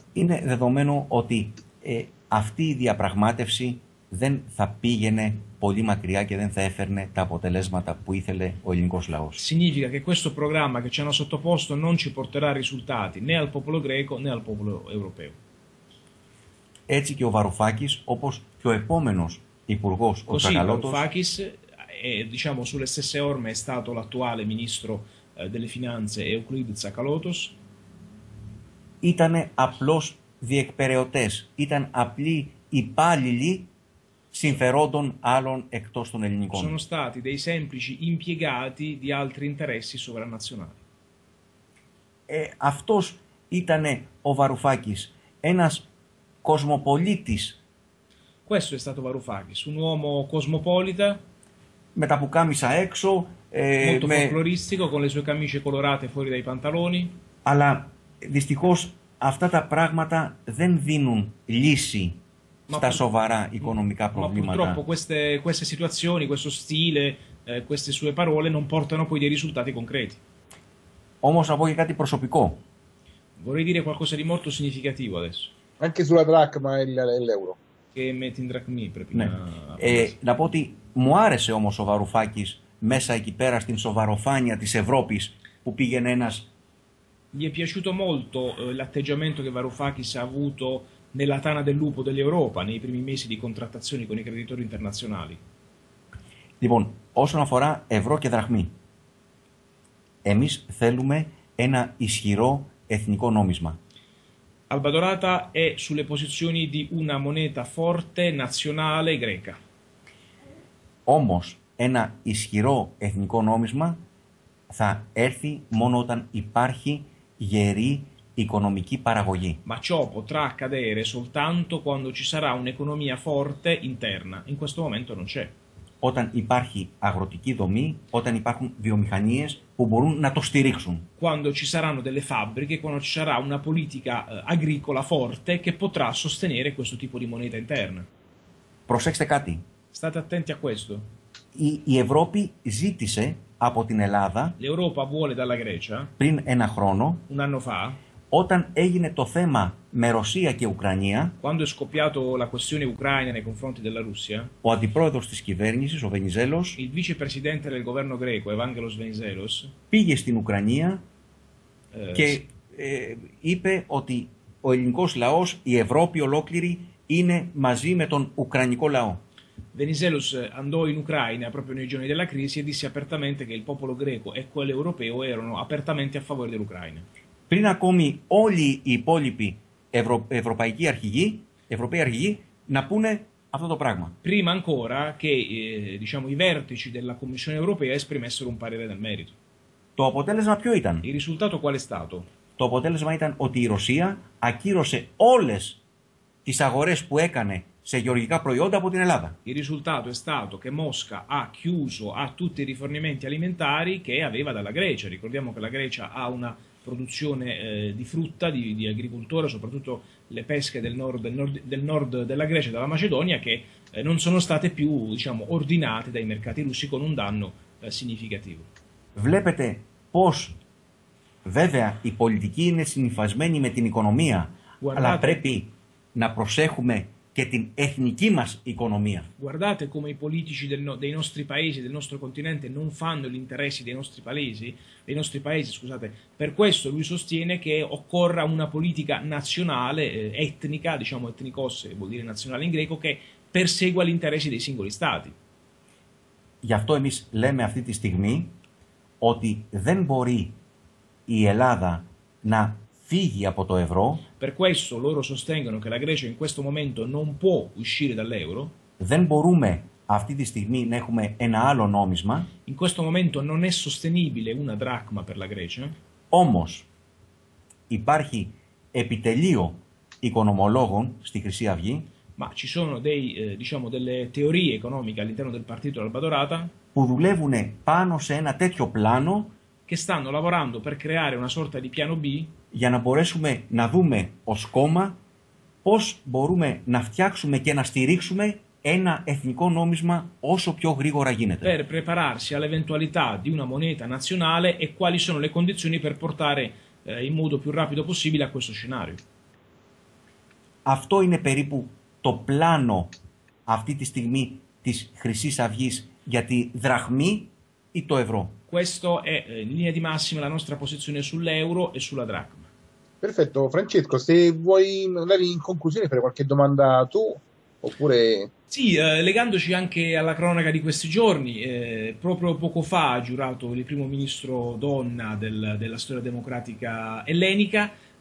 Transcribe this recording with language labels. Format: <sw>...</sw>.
<el>είναι δεδομένο ότι αυτή η διαπραγμάτευση δεν θα πήγαινε πολύ μακριά και δεν θα έφερνε τα αποτελέσματα που ήθελε ο ελληνικός λαός.</el> <it>Significa che questo programma che ci hanno sottoposto non ci porterà risultati né al popolo greco né al popolo europeo.</it> <el>Έτσι και ο Βαρουφάκης, όπως και ο επόμενος υπουργός, ο Τσακαλώτος.</el> <it>Ο Βαρουφάκης, diciamo sulle stesse orme è stato l'attuale ministro delle finanze Euclide Tsakalotos.</it> <el>Ήτανε απλώς διεκπεραιωτές, ήταν απλοί υπάλληλοι συμφερόντων άλλων εκτός των ελληνικών.</el> <it>Sono stati dei semplici impiegati di altri interessi sovranazionali.</it> <el>Αυτός ήταν ο Βαρουφάκης, ένας κοσμοπολίτης.</el> <it>Questo è stato Varoufakis, un uomo cosmopolita.</it> <el>Με τα πουκάμισα έξω.</el> <it>Molto folkloristico, con le sue camicie colorate fuori dai pantaloni.</it> <el>Αλλά δυστυχώς αυτά τα πράγματα δεν δίνουν λύση στα σοβαρά οικονομικά προβλήματα.</el> <it>Ma purtroppo queste situazioni, questo stile, queste sue parole non portano poi dei risultati concreti.</it> <el>Όμως θα πω και κάτι προσωπικό.</el> <it>Vorrei dire qualcosa di molto significativo adesso. Anche sulla dracma e l'euro. Che metti in dracmi, proprio.</it> <el>Ναι. Να πω ότι μου άρεσε όμως ο Βαρουφάκης μέσα εκεί πέρα στην σοβαροφάνεια της Ευρώπης που πήγαινε ένας.</el> <it>Gli è piaciuto molto l'atteggiamento che Varoufakis ha avuto nella tana del lupo dell'Europa nei primi mesi di contrattazioni con i creditori internazionali.</it> <el>Λοιπόν, όσον αφορά ευρώ και δραχμή, εμείς θέλουμε ένα ισχυρό εθνικό νόμισμα.</el> <it>Alba Dorata è sulle posizioni di una moneta forte nazionale greca.</it> <el>Όμως, ένα ισχυρό εθνικό νόμισμα θα έρθει μόνο όταν υπάρχει γερή οικονομική παραγωγή.</el> <it>Ma ciò potrà accadere soltanto quando ci sarà un'economia forte interna. In questo momento non c'è.</it> <el>Όταν υπάρχει αγροτική δομή, όταν υπάρχουν βιομηχανίες που μπορούν να το στηρίξουν.</el> <it>Quando ci saranno delle fabbriche, quando ci sarà una politica agricola forte che potrà sostenere questo tipo di moneta interna.</it> <el>Προσέξτε κάτι.</el> <it>State attenti a questo.</it> <el>Η Ευρώπη ζήτησε από την Ελλάδα.</el> <it>L'Europa vuole dalla Grecia.</it> <el>Πριν ένα χρόνο.</el> <it>Un anno fa.</it> <el>Όταν έγινε το θέμα με Ρωσία και Ουκρανία.</el> <it>Quando è scoppiato la questione Ucraina nei confronti della Russia.</it> <el>Ο αντιπρόεδρος της κυβέρνησης, ο Βενιζέλος.</el> <it>Il vicepresidente del governo greco, Evangelos Venizelos.</it> <el>Πήγε στην Ουκρανία και είπε ότι ο ελληνικός λαός, η Ευρώπη ολόκληρη, είναι μαζί με τον ουκρανικό λαό.</el> <it>Venizelos andò in Ucraina proprio nei giorni della crisi e disse apertamente che il popolo greco e quello europeo erano apertamente a favore dell'Ucraina.</it> <el>Πριν ακόμη όλοι οι υπόλοιποι ευρωπαϊκοί αρχηγοί, ευρωπαίοι αρχηγοί, να πούνε αυτό το πράγμα.</el> <it>Prima ancora che diciamo, i vertici della Commissione Europea esprimessero un parere nel merito.</it> <el>Το αποτέλεσμα ποιο ήταν?</el> <it>Il risultato qual è stato?</it> <el>Το αποτέλεσμα ήταν ότι η Ρωσία ακύρωσε όλες τις αγορές που έκανε σε γεωργικά προϊόντα από την Ελλάδα.</el> <it>Il risultato è stato che Mosca ha chiuso a tutti i rifornimenti alimentari che aveva dalla Grecia. Ricordiamo che la Grecia ha una produzione di frutta, di agricoltura, soprattutto le pesche del nord della Grecia, dalla Macedonia, che non sono state più, diciamo, ordinate dai mercati russi con un danno significativo.</it> <el>Βλέπετε πως βέβαια η πολιτική είναι συνυφασμένη με την οικονομία, αλλά πρέπει να προσέχουμε και την εθνική μας οικονομία.</el> <it>Guardate come i politici dei nostri paesi, del nostro continente, non fanno gli interessi dei nostri paesi. Per questo lui sostiene che occorra una politica nazionale, etnica, diciamo etnikos, vuol dire nazionale in greco, che persegua gli interessi dei singoli stati.</it> <el>Γι' αυτό εμείς λέμε αυτή τη στιγμή ότι δεν μπορεί η Ελλάδα να φύγει από το ευρώ.</el> <it>Per questo loro sostengono che la Grecia in questo momento non può uscire dall'euro.</it> <el>Δεν μπορούμε αυτή τη στιγμή να έχουμε ένα άλλο νόμισμα.</el> <it>In questo momento non è sostenibile una dracma per la Grecia.</it> <el>Όμως υπάρχει επιτελείο οικονομολόγων στη Χρυσή Αυγή.</el> <it>Ma ci sono delle teorie economiche all'interno del partito Alba Dorata.</it> <el>Που δουλεύουν πάνω σε ένα τέτοιο πλάνο.</el> <it>Che stanno lavorando per creare una sorta di piano B.</it> <el>Για να μπορέσουμε να δούμε ως κόμμα πώς μπορούμε να φτιάξουμε και να στηρίξουμε ένα εθνικό νόμισμα όσο πιο γρήγορα γίνεται.</el> <it>Per prepararsi all'eventualità di una moneta nazionale e quali sono le condizioni per portare in modo più rapido possibile a questo scenario.</it> <el>Αυτό είναι περίπου το πλάνο αυτή τη στιγμή της Χρυσής Αυγής για τη δραχμή ή το ευρώ.</el> <it>Questo è in linea di massima la nostra posizione sull'euro e sulla dracma. Perfetto, Francesco, se vuoi magari in conclusione fare qualche domanda tu, oppure... Sì, legandoci anche alla cronaca di questi giorni, proprio poco fa ha giurato il primo ministro donna della storia democratica ellenica.</it>